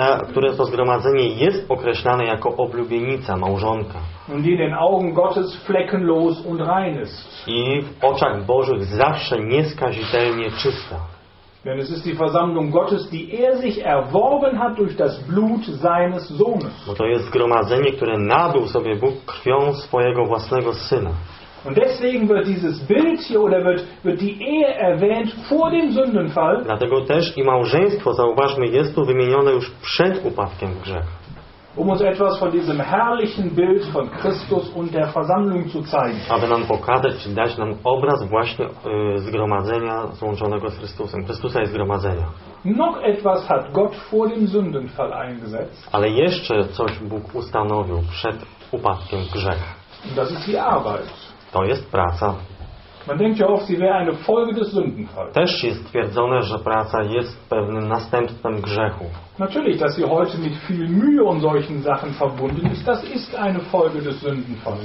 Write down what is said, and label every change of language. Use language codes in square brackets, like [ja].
[pl] Które to zgromadzenie jest określane jako oblubienica, małżonka. [de] Und die in den Augen Gottes fleckenlos und rein ist. [pl] I w oczach Bożych zawsze nieskazitelnie czysta. [de] Denn es ist die Versammlung Gottes, die er sich erworben hat durch das Blut seines Sohnes. [pl] Bo to jest zgromadzenie, które nabył sobie Bóg krwią swojego własnego syna. [de] Und deswegen wird dieses Bild hier oder wird die Ehe erwähnt vor dem Sündenfall. [pl] Dlatego też i małżeństwo, zauważmy, jest tu wymienione już przed upadkiem w grzech. [de] Um uns etwas von diesem herrlichen Bild von Christus und der Versammlung zu zeigen. [pl] Aby nam pokazać, dać nam obraz właśnie zgromadzenia złączonego z Chrystusem. Chrystusa i zgromadzenia. [de] Noch etwas hat Gott vor dem Sündenfall eingesetzt. [pl] Ale jeszcze coś Bóg ustanowił przed upadkiem w grzech. [de] Und das ist die Arbeit. [pl] To jest praca. [de] Man denkt ja oft, sie wäre eine Folge des Sündenfalls. [pl] Też jest twierdzone, że praca jest pewnym następstwem grzechu. [de] Natürlich, dass sie heute mit viel Mühe und solchen Sachen verbunden ist, das ist eine Folge des Sündenfalls.